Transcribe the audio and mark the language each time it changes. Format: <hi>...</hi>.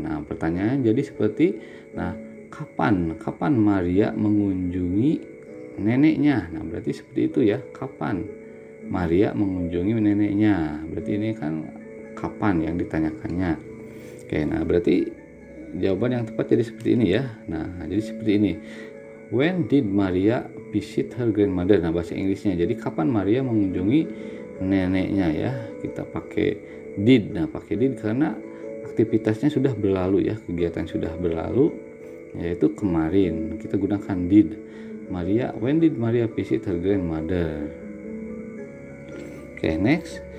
<id>Nah, pertanyaan jadi seperti, nah, kapan? Kapan Maria mengunjungi neneknya? Nah, berarti seperti itu ya. Kapan Maria mengunjungi neneknya, berarti ini kan kapan yang ditanyakannya. Oke, nah berarti jawaban yang tepat jadi seperti ini ya. Nah, jadi seperti ini,</id> <en>when did Maria visit her grandmother.</en> <id>Nah, bahasa Inggrisnya, jadi kapan Maria mengunjungi neneknya ya, kita pakai did. Nah, pakai did karena aktivitasnya sudah berlalu ya, kegiatan sudah berlalu, yaitu kemarin, kita gunakan did.</id> <en>Maria, when did Maria visit her grandmother. Oke, okay, next.</en>